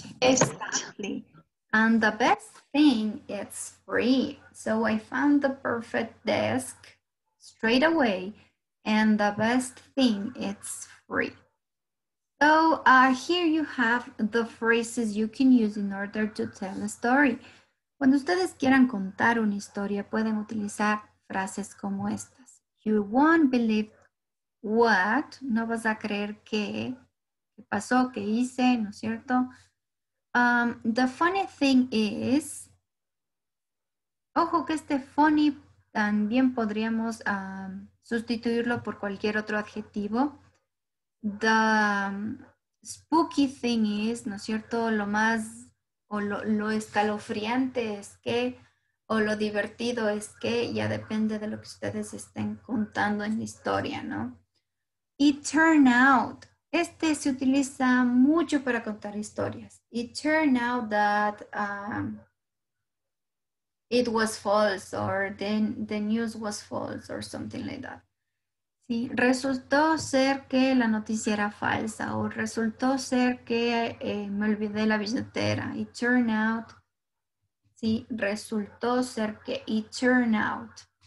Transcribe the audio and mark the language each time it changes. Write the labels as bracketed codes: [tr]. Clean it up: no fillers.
[en] Exactly. And the best thing, it's free. So I found the perfect desk straight away. And the best thing, it's free. So here you have the phrases you can use in order to tell a story. [es] Cuando ustedes quieran contar una historia, pueden utilizar frases como estas. [en] You won't believe what, [es] no vas a creer qué pasó, qué hice, ¿no es cierto? [en] The funny thing is, [es] ojo que este funny también podríamos sustituirlo por cualquier otro adjetivo. [en] The spooky thing is, [es] ¿no es cierto? Lo más... O lo escalofriante es que, o lo divertido es que, ya depende de lo que ustedes estén contando en la historia, ¿no? [en] It turned out. [es] Este se utiliza mucho para contar historias. [en] It turned out that it was false, or the news was false, or something like that. [es] Sí, resultó ser que la noticia era falsa o resultó ser que me olvidé la billetera. [en] It turned out. [es] Sí, resultó ser que [en] it turned out.